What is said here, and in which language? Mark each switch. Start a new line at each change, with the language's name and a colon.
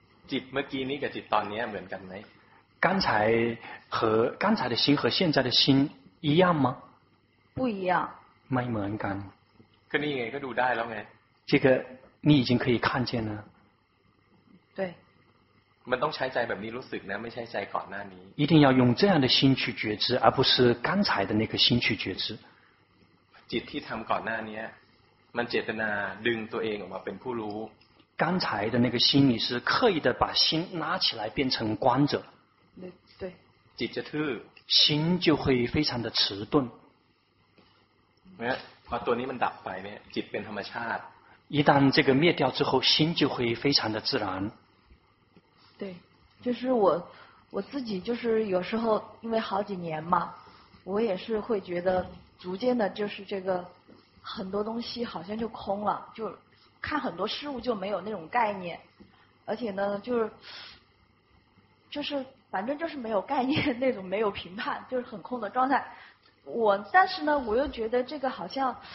Thai: จิตเมื่อกี้นี้กับจิตตอนนี้เหมือนกันไหม
Chinese: 刚才和刚才的心和现在的心一样吗不一样
Thai: ไม่เหมือนกัน ก็นี่ไงก็ดูได้แล้วไง
Chinese: 这个你已经可以看见了对
Thai: มันต้องใช้ใจแบบนี้รู้สึกนะไม่ใช่ใจก่อนหน้านี้
Chinese: 一定要用这样的心去觉知而不是刚才的那个心去觉知
Thai: จิตที่ทำก่อนหน้านี้มันเจตนาดึงตัวเองออกมาเป็นผู้รู้
Chinese: 刚才的那个心你是刻意的把心拉起来变成观者对
Thai: จิตจะทื่
Chinese: อ心就会非常的迟钝
Thai: พอตัวนี้มันดับไปเนี่ยจิตเป็นธรรมชาติ
Chinese: 一旦这个灭掉之后心就会非常的自然对就是我自己就是有时候因为好几年嘛我也是会觉得逐渐的就是这个很多东西好像就空了就看很多事物就没有那种概念而且呢就是反正就是没有概念那种没有评判就是很空的状态我但是呢我又觉得这个好像